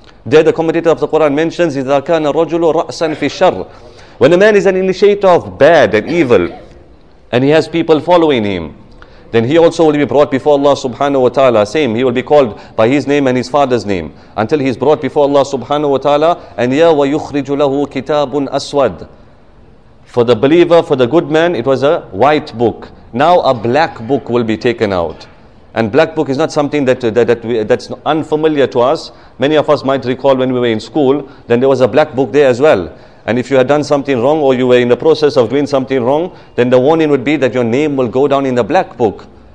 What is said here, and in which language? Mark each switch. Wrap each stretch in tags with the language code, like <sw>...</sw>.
<en>There the commentator of the Quran mentions,</en> <ar>إِذَا كَانَ الرَّجُلُ رَأْسًا فِي الشَّرِّ.</ar> <en>When a man is an initiator of bad and evil, and he has people following him, then he also will be brought before Allah subhanahu wa ta'ala. Same, he will be called by his name and his father's name until he is brought before Allah subhanahu wa ta'ala. And</en> <ar>يَا وَيُخْرِجُ لَهُ كِتَابٌ أَسْوَدٌ.</ar> <en>For the believer, for the good man, it was a white book. Now a black book will be taken out. And black book is not something that's unfamiliar to us. Many of us might recall when we were in school, then there was a black book there as well. And if you had done something wrong or you were in the process of doing something wrong, then the warning would be that your name will go down in the black book.</en>